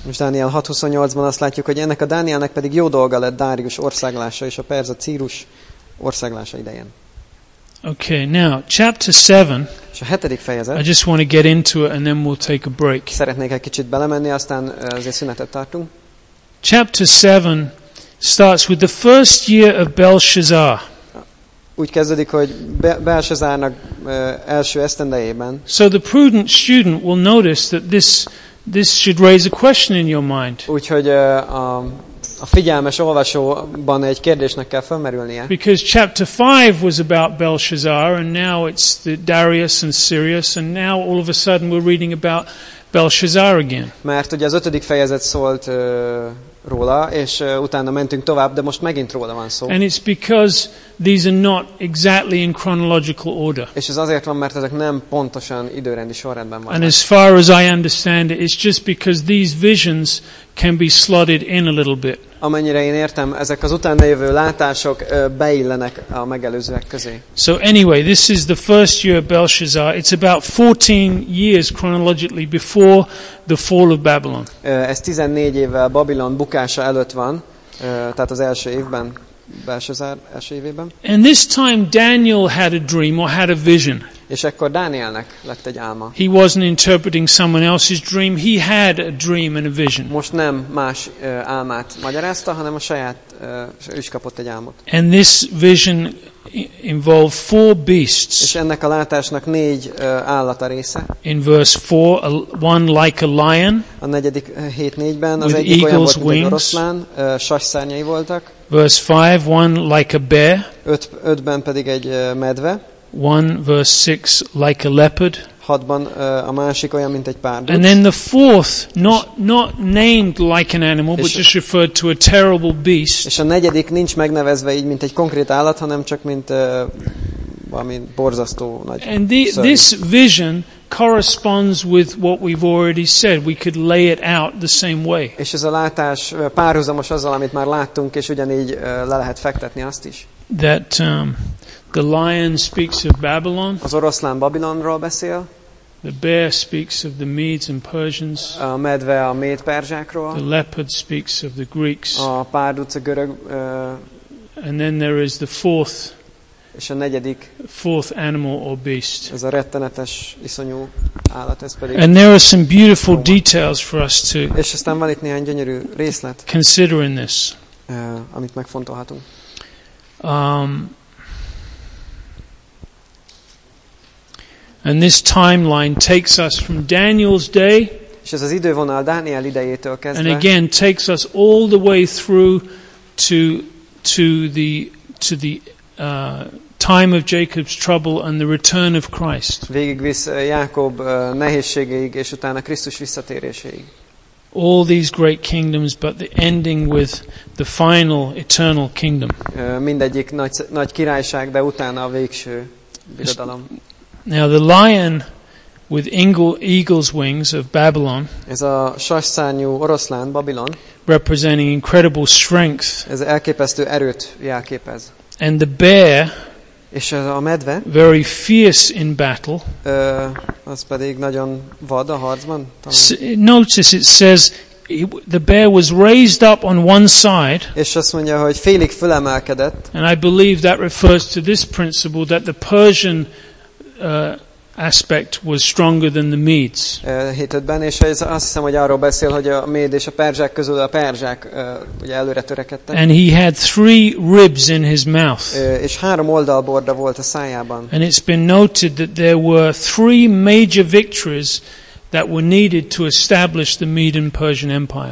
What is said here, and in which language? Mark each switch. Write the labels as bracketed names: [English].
[Hungarian] Most Dániel 6:28-ban azt látjuk, hogy ennek a Dánielnek pedig jó dolga lett Darius országlása és a perza Círus országlása idején. [English] Okay, now chapter 7. [Hungarian] És a hetedik fejezet. [English] I just want to get into it and then we'll take a break. [Hungarian] Szeretnék egy kicsit belemenni, aztán azért szünetet tartunk. [English] Chapter 7 starts with the first year of Belshazzar. [Hungarian] Úgy kezdődik, hogy Belshazzárnak első esztendejében. [English] So the prudent student will notice that this should raise a question in your mind. [Hungarian] Úgyhogy a figyelmes olvasóban egy kérdésnek kell felmerülnie. [English] Because chapter 5 was about Belshazzar and now it's the Darius and Cyrus and now all of a sudden we're reading about Belshazzar again. [Hungarian] Mert ugye az ötödik fejezet szólt róla, és utána mentünk tovább, de most megint róla van szó. [English] And it's because these are not exactly in chronological order. [Hungarian] És ez azért van, mert ezek nem pontosan időrendi sorrendben vannak. [English] And as far as I understand it, it's just because these visions can be slotted in a little bit. [Hungarian] Amennyire én értem, ezek az utána jövő látások beillenek a megelőzőek közé. [English] So anyway, this is the first year of Belshazzar. It's about 14 years chronologically before the fall of Babylon. [Hungarian] Ez 14 évvel Babilon bukása előtt van, tehát az első évben, Belshazzar első évében. [English] And this time Daniel had a dream or had a vision. [Hungarian] És ekkor Dánielnek lett egy álma. [English] He wasn't interpreting someone else's dream. He had a dream and a vision. [Hungarian] Most nem más álmát magyarázta, hanem a saját is kapott egy álmot. [English] And this vision involved four beasts. [Hungarian] És ennek a látásnak négy állat a része. [English] In verse 4, one like a lion. [Hungarian] A negyedik 7:4-ben az egyik olyan volt, mint egy oroszlán, sasszárnyai voltak. [English] Verse 5, one like a bear. [Hungarian] 5-ben pedig egy medve. [English] 1 verse 6 like a leopard. [Hungarian] 6-ban a másik olyan, mint egy párduc. [English] And then the fourth, not named like an animal, but just referred to a terrible beast. [Hungarian] És a negyedik nincs megnevezve így, mint egy konkrét állat, hanem csak mint valami borzasztó nagy. [English] And this vision corresponds with what we've already said. We could lay it out the same way. [Hungarian] És ez a látás párhuzamos azzal, amit már láttunk, és ugyanígy le lehet fektetni azt is. [English] That the lion speaks of Babylon. [Hungarian] Az oroszlán Babilonról beszél. [English] The bear speaks of the Medes and Persians. [Hungarian] A medve a méd perzsákról. [English] The leopard speaks of the Greeks. [Hungarian] A párduc a görög. [English] And then there is the fourth. [Hungarian] És a negyedik. [English] Fourth animal or beast. [Hungarian] Ez a rettenetes, iszonyú állat, ez pedig. [English] And there are some beautiful details for us to. [Hungarian] És aztán van itt néhány gyönyörű részlet. [English] Consider in this. [Hungarian] Amit megfontolhatunk. [English] And this timeline takes us from Daniel's day. [Hungarian] És ez az idővonal Dániel idejétől kezdve. [English] And again takes us all the way through to the time of Jacob's trouble and the return of Christ. [Hungarian] Végigvisz Jákob nehézségeig és utána Krisztus visszatéréséig. [English] All these great kingdoms, but the ending with the final eternal kingdom. [Hungarian] Mindegyik nagy királyság, de utána a végső birodalom. [English] Now the lion with eagle's wings of Babylon. [Hungarian] Ez a sasszárnyú oroszlán Babilon. [English] Representing incredible strength. [Hungarian] Ez elképesztő erőt jelképez. [English] And the bear. [Hungarian] És a medve. [English] Very fierce in battle. [Hungarian] Az pedig nagyon vad a harcban. [English] Notice it says the bear was raised up on one side. [Hungarian] És azt mondja, hogy félig fölemelkedett. [English] And I believe that refers to this principle that the Persian aspect was stronger than the Medes. [Hungarian] Hitetben, és ez azt hiszem, hogy arról beszél, hogy a méd és a perzsák közül a perzsák ugye előre törekedtek. [English] And he had three ribs in his mouth. [Hungarian] És három oldalborda volt a szájában. [English] And it's been noted that there were three major victories that were needed to establish the Median Persian Empire.